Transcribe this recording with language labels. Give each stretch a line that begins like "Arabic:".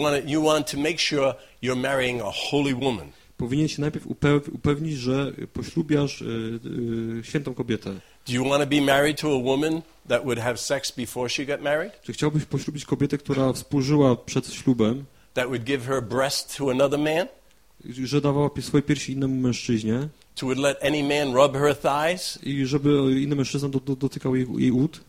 English: You want to make sure you're marrying a holy woman.
Polish: Powinien się najpierw upewnić, że poślubiasz świętą kobietę.
English: Do you want to be married to a woman that would have sex before she got married?
Polish: Czy chciałbyś poślubić kobietę, która współżyła przed ślubem?
English: That would give her breast to another man?
Polish: Że dawała swoje piersi innemu mężczyźnie?
English: To would let any man rub her thighs?
Polish: I żeby inny mężczyzna dotykał jej ud?